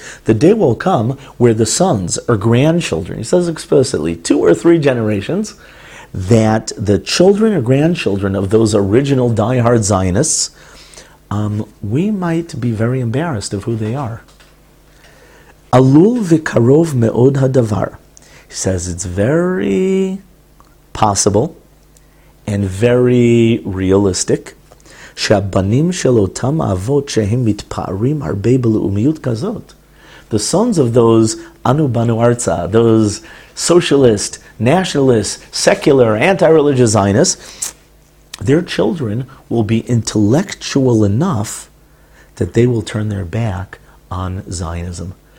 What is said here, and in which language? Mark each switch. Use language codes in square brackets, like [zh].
[en] The day will come where the sons or grandchildren, he says explicitly, two or three generations, that the children or grandchildren of those original diehard Zionists, we might be very embarrassed of who they are. [he] עלול וקרוב מאוד הדבר. [en] He says it's very possible and very realistic [he] שהבנים של אותם אבות שהם מתפארים הרבה בלאומיות כזאת. [en] The sons of those [he] Anu Banu Arza, [en] those socialist, nationalist, secular, anti-religious Zionists, their children will be intellectual enough that they will turn their back on Zionism.